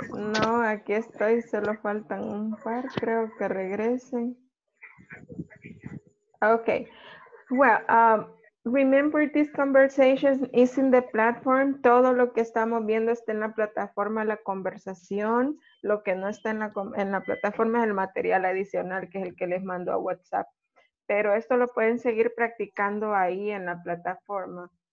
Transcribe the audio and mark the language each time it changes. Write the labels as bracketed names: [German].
[Spanish] No, aquí estoy, solo faltan un par, creo que regresen. Ok. [English] Well, remember this conversation is in the platform. [Spanish] Todo lo que estamos viendo está en la plataforma, la conversación. Lo que no está en la plataforma es el material adicional, que es el que les mando a WhatsApp. Pero esto lo pueden seguir practicando ahí en la plataforma.